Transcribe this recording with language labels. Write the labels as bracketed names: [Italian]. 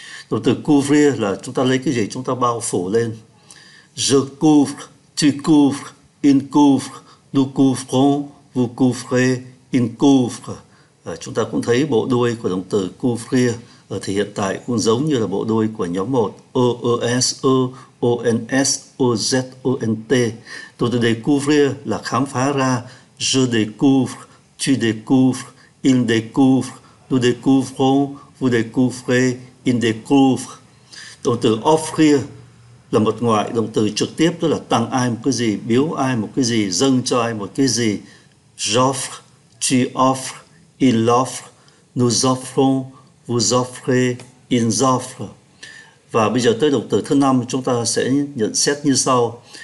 [Vietnamese] Động từ couvrir là chúng ta lấy cái gì chúng ta bao phủ lên: [French] je couvre, tu couvres, il couvre, nous couvrons, vous couvrez, ils couvrent. [Vietnamese] Chúng ta cũng thấy bộ đuôi của động từ couvrir ở thì hiện tại cũng giống như là bộ đuôi của nhóm 1: ers, ons, oz, ont. Động từ découvrir là khám phá ra: [French] je découvre, tu découvres, il découvre, nous découvrons, vous découvrez, ils découvrent. [Vietnamese] Động từ offrir là một ngoại động từ trực tiếp, tức là tặng ai một cái gì, biếu ai một cái gì, dâng cho ai một cái gì: [French] j'offre, tu offres, il offre, nous offrons, vous offrez, ils offrent. [Vietnamese] Và bây giờ tới động từ thứ năm, chúng ta sẽ nhận xét như sau.